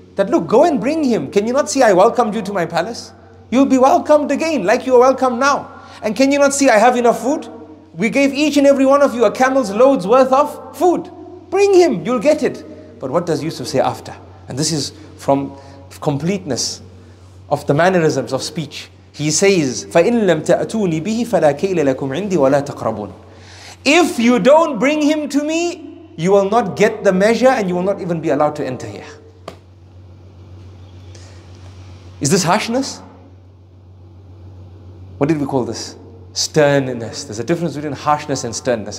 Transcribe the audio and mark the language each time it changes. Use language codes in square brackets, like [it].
[en] That look, go and bring him. Can you not see I welcomed you to my palace? You'll be welcomed again, like you are welcome now. And can you not see I have enough food? We gave each and every one of you a camel's loads worth of food. Bring him, you'll get it. But what does Yusuf say after? And this is from completeness of the mannerisms of speech. He says, [ar] فَإِنْ لَمْ تَأْتُونِي بِهِ فَلَا كَيْلَ لَكُمْ عِنْدِي وَلَا تَقْرَبُونَ. [en] If you don't bring him to me, you will not get the measure and you will not even be allowed to enter here. Is this harshness? What did we call this? Sternness. There's a difference between harshness and sternness.